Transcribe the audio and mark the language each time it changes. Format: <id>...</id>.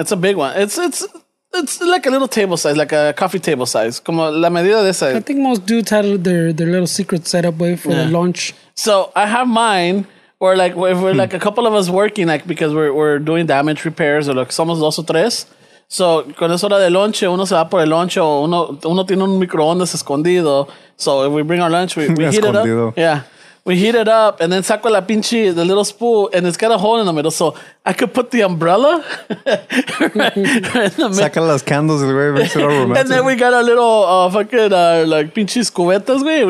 <en>It's a big one. It's like a little table size, like a coffee table size.</en> <es>Como la medida de esa.</es> <en>I think most dudes had their little secret setup way for the lunch. So I have mine. Or like if we're like a couple of us working, like because we're doing damage repairs or like</en> <es>somos dos o tres. So con eso hora de lunch, uno se va por el lunch o uno tiene un microondas escondido.</es> <en>So if we bring our lunch, we heat it up. Yeah. We heat it up and then</en> <es>saco la pinche,</es> <en>the little spool, and it's got a hole in the middle. So I could put the umbrella right in the middle.</en> <es>Saca las</es> <en>candles, güey, makes it all romantic. And then we got a little fucking like</en> <es>pinches cubetas,</es> <en>güey.</en>